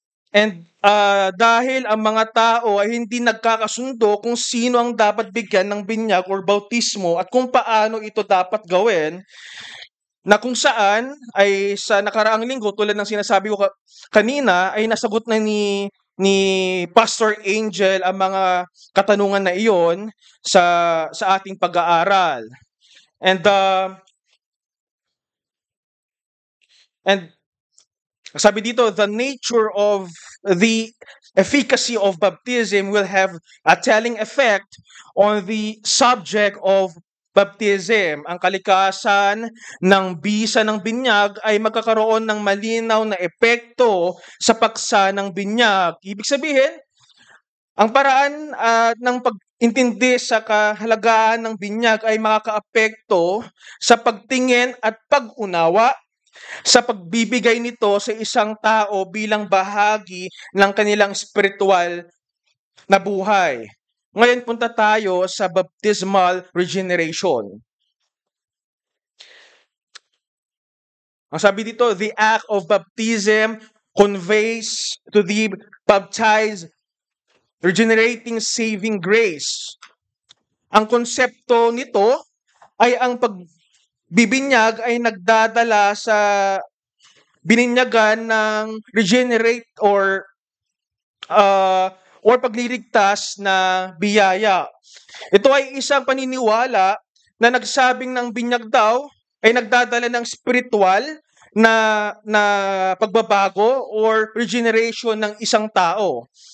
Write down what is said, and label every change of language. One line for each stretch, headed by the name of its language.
Filipino: And dahil ang mga tao ay hindi nagkakasundo kung sino ang dapat bigyan ng binyag or bautismo at kung paano ito dapat gawin, na kung saan ay sa nakaraang linggo, tulad ng sinasabi ko kanina, ay nasagot na ni Pastor Angel ang mga katanungan na iyon sa ating pag-aaral.
English: And
Filipino: sabi dito,
English: the nature of the efficacy of baptism will have a telling effect on the subject of baptism.
Filipino: Ang kalikasan ng bisa ng binyag ay magkakaroon ng malinaw na epekto sa paksa ng binyag. Ibig sabihin, ang paraan ng pag-intindi sa kahalagaan ng binyag ay makakaapekto sa pagtingin at pag-unawa sa pagbibigay nito sa isang tao bilang bahagi ng kanilang spiritual na buhay. Ngayon punta tayo sa baptismal regeneration. Ang sabi dito,
English: the act of baptism conveys to the baptized regenerating saving grace.
Filipino: Ang konsepto nito ay ang pagbibinyag ay nagdadala sa bininyagan ng regenerate or or pagliligtas na biyaya. Ito ay isang paniniwala na nagsabing ng binyag daw ay nagdadala ng spiritual na pagbabago or regeneration ng isang tao.